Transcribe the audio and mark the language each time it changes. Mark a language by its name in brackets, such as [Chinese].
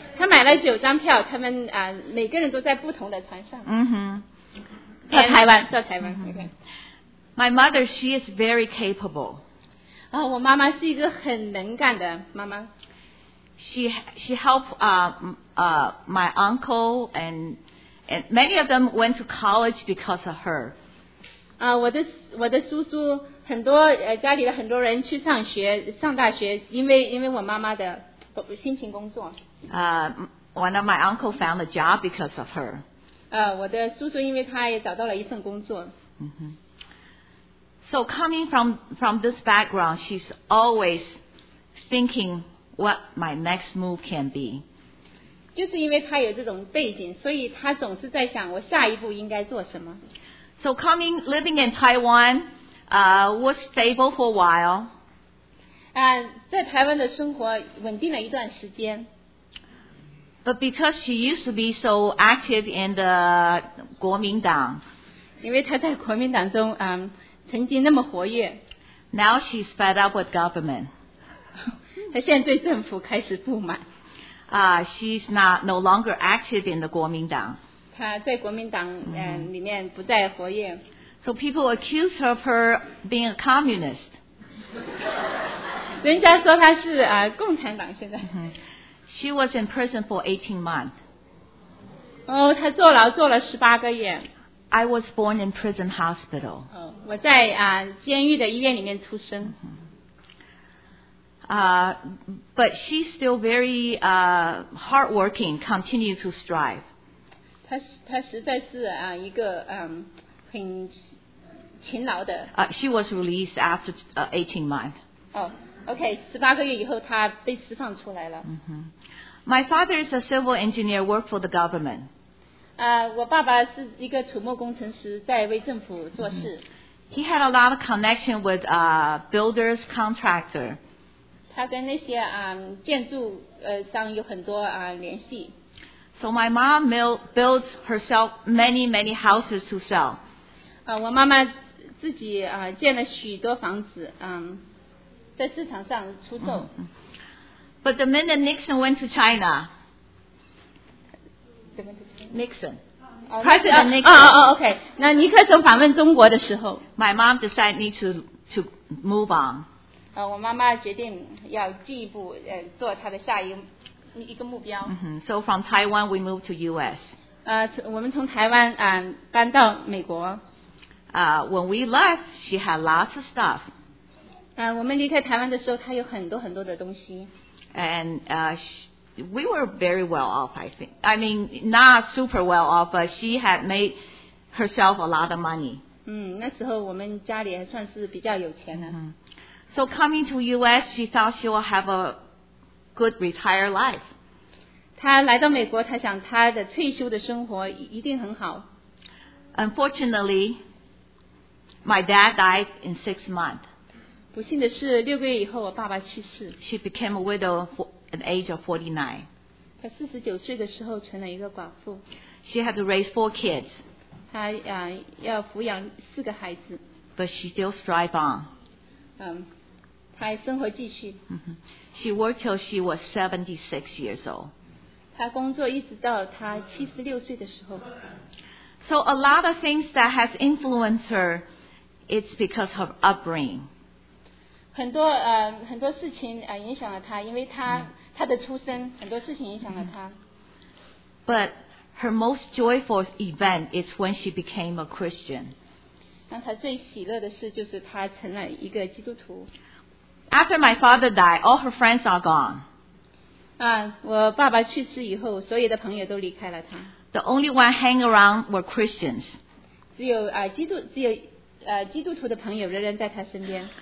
[Chinese] 她买了九张票，他们每个人都在不同的船上。 Mm-hmm. 到台湾。Okay. [English] My mother, she is very capable. [Chinese] 我妈妈是一个很能干的妈妈。 [English] She helped my uncle and many of them went to college because of her. [Chinese] 我的叔叔很多家里的很多人去上大学因为我妈妈的辛勤工作。 [English] One of my uncle found a job because of her. [Chinese] 我的叔叔因为他也找到了一份工作。 [English] So coming from this background, she's always thinking. What my next move can be. [Chinese] 就是因为他有这种背景，所以他总是在想我下一步应该做什么。 [English] So coming living in Taiwan, was stable for a while. [Chinese] 在台湾的生活稳定了一段时间。 [English] But because she used to be so active in the 国民党， [Chinese] 因为她在国民党中曾经那么活跃。 [English] Now she's fed up with government. [Chinese] 她现在对政府开始不满。 [English] She's no longer active in the 国民党。 [Chinese] 她在国民党里面不再活跃。 [English] So people accuse her of her being a communist. [Chinese] 人家说她是共产党现在。 [English] She was in prison for 18 months. [Chinese] 她坐牢18个月。 [English] I was born in prison hospital. [Chinese] 我在监狱的医院里面出生。 [English] But she's still very hardworking, continue to strive. [Chinese] 她实在是一个很勤劳的。 [English] She was released after 18 months. [Chinese] Okay, 18个月以后她被释放出来了。 [English] My father is a civil engineer, worked for the government. [Chinese] 我爸爸是一个土木工程师在为政府做事。 [English] He had a lot of connection with builders, contractor. [Chinese] 他跟那些建筑商有很多联系。 [English] So my mom built herself many houses to sell. [Chinese] 我妈妈自己建了许多房子，在市场上出售。 [English] But the minute Nixon went to China, Nixon, President Nixon. Okay. [Chinese] 那尼克松访问中国的时候 [English] ，My mom decided me to move on. [Chinese] 我妈妈决定要进一步做她的下一个目标。 [English] So from Taiwan, we moved to U.S. [Chinese] 我们从台湾搬到美国。 [English] When we left, she had lots of stuff. [Chinese] 我们离开台湾的时候，她有很多很多的东西。 [English] And we were very well off, I think. I mean, not super well off, but she had made herself a lot of money. [Chinese] 那时候我们家里还算是比较有钱的。 [English] So coming to U.S., she thought she will have a good retired life. [Chinese] 她来到美国，她想她的退休的生活一定很好。 [English] Unfortunately, my dad died in 6 months. [Chinese] 不幸的是，六个月以后，我爸爸去世。 [English] She became a widow at the age of 49. [Chinese] 她四十九岁的时候成了一个寡妇。 [English] She had to raise 4 kids. [Chinese] 她要抚养四个孩子。 [English] But she still strive on. [Chinese] 她生活继续。 [English] She worked till she was 76 years old. [Chinese] 她工作一直到她76岁的时候。 [English] So a lot of things that has influenced her, it's because of upbringing. [Chinese] 很多事情影响了她，因为她的出身，很多事情影响了她。 [English] But her most joyful event is when she became a Christian. [Chinese] 让她最喜乐的事就是她成了一个基督徒。 [English] After my father died, all her friends are gone. [Chinese] 我爸爸去世以后，所有的朋友都离开了她。 [English] The only one hang around were Christians. [Chinese] 只有基督徒的朋友仍然在她身边。